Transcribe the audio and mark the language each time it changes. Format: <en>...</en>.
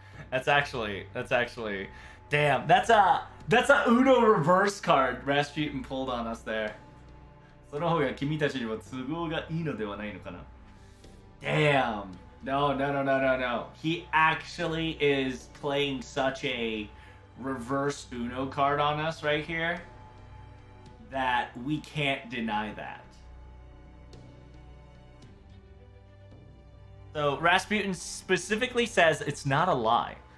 <en>that's actually, damn, that's a Uno reverse card Rasputin pulled on us there.</en> <ja>その方が君たちにも都合がいいのではないのかな?</ja> <en>Damn. No. He actually is playing such a reverse Uno card on us right here that we can't deny that. So Rasputin specifically says it's not a lie.</en>